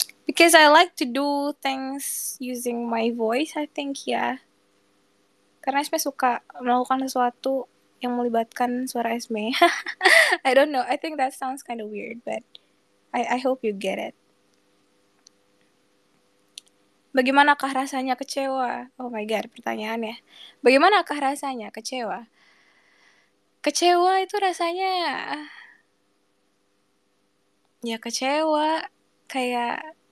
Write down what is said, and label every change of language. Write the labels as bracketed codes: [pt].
[en] Because I like to do things using my voice, I think ya. Yeah. [id] Karena Esme suka melakukan sesuatu yang melibatkan suara Esme. [en] I don't know. I think that sounds kind of weird, but I hope you get it. [id] Bagaimanakah rasanya kecewa? [en] Oh my God, [id] pertanyaannya. Bagaimanakah rasanya kecewa? Kecewa itu rasanya ya kecewa, kayak